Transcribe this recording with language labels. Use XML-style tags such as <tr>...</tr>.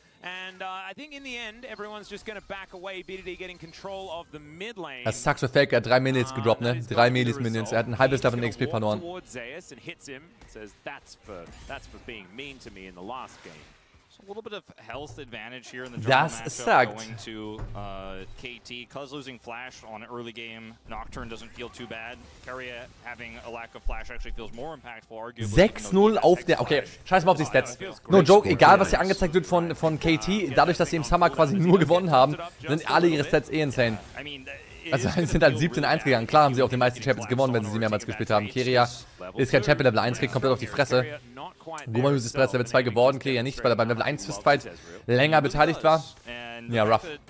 <en>And I think in the end, everyone's just gonna back away. BDD getting control of the mid lane.</en> <de>Das sucks für Faker. Er hat 3 Minions gedroppt, ne? 3 Minions. Er hat ein halbes Level in XP verloren.</de> <en>Zayas and hits him. Says that's for being mean to me in the last game. A little bit of health advantage here in the jungle matchup going to KT. Cuz losing flash on early game, Nocturne doesn't feel too bad. Carrier having a lack of flash actually feels more impactful, arguably.</en> <de>6-0 auf der, okay, scheiß mal auf die Stats. No joke, egal was hier angezeigt wird von KT, dadurch, dass sie im Summer quasi nur gewonnen haben, sind alle ihre Stats eh insane. Also sie sind halt 17-1 gegangen. Klar haben sie auch die meisten Champions gewonnen, wenn sie sie mehrmals gespielt haben. Kiria ist kein Champion Level 1, kriegt komplett auf die Fresse. Gumayusi ist bereits Level 2 geworden, Kiria nicht, weil er beim Level 1 Fistfight länger beteiligt war. Ja, rough.</de>